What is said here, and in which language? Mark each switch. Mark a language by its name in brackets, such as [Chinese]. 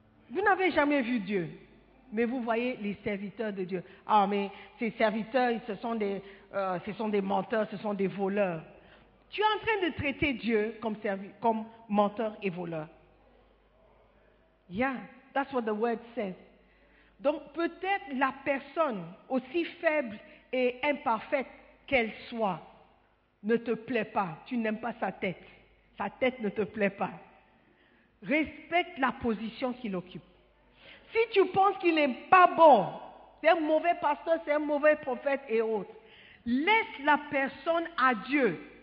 [French] Vous n'avez jamais vu Dieu, mais vous voyez les serviteurs de Dieu. Ah, mais ces serviteurs, ce sont des menteurs, ce sont des voleurs. Tu es en train de traiter Dieu comme menteur et voleur. [English] Yeah, that's what the word says. [French] Donc peut-être la personne, aussi faible et imparfaite qu'elle soit, ne te plaît pas. Tu n'aimes pas sa tête. Sa tête ne te plaît pas. Respecte la position qu'il occupe. Si tu penses qu'il n'est pas bon, c'est un mauvais pasteur, c'est un mauvais prophète et autres, laisse la personne à Dieu.